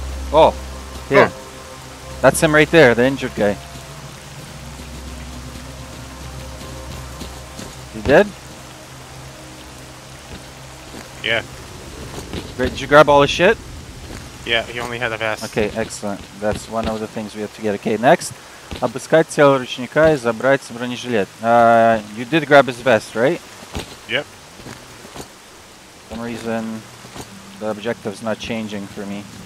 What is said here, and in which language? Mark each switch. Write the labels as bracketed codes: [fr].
[en] Oh! Here. Oh. That's him right there, the injured guy. You dead? Yeah. Great, did you grab all his shit? Yeah, he only had a vest. Okay, excellent. That's one of the things we have to get. Okay, next. [ru] Обыскать тело ручника и забрать бронежилет. [en] You did grab his vest, right? Yep. For some reason, the objective's not changing for me.